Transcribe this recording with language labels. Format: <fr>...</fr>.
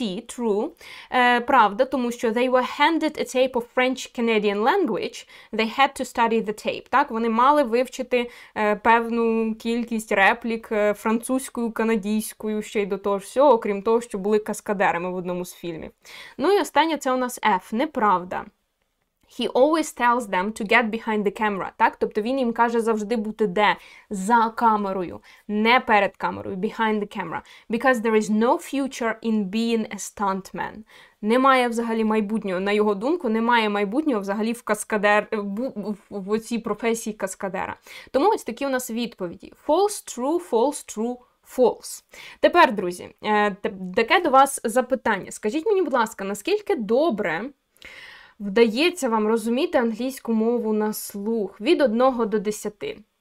<en>tea, true.</en> <uk>Правда, тому що</uk> <en>they were handed a tape of French Canadian language. They had to study the tape.</en> <uk>Так, вони мали вивчити певну кількість реплік французькою, канадійською, ще й до того ж всього, окрім того, що були каскадерами в одному з фільмів. Ну і останнє це у нас F, неправда.</uk> <en>He always tells them to get behind the camera, так?</en> <uk>Тобто він їм каже завжди бути де? За камерою, не перед камерою,</uk> <en>behind the camera. Because there is no future in being a stuntman.</en> <uk>Немає взагалі майбутнього, на його думку, немає майбутнього взагалі в каскадер, в оцій професії каскадера. Тому ось такі у нас відповіді.</uk> <en>False, true, false, true. False.</en> <uk>Тепер, друзі, таке до вас запитання. Скажіть мені, будь ласка, наскільки добре вдається вам розуміти англійську мову на слух від 1 до 10?</uk>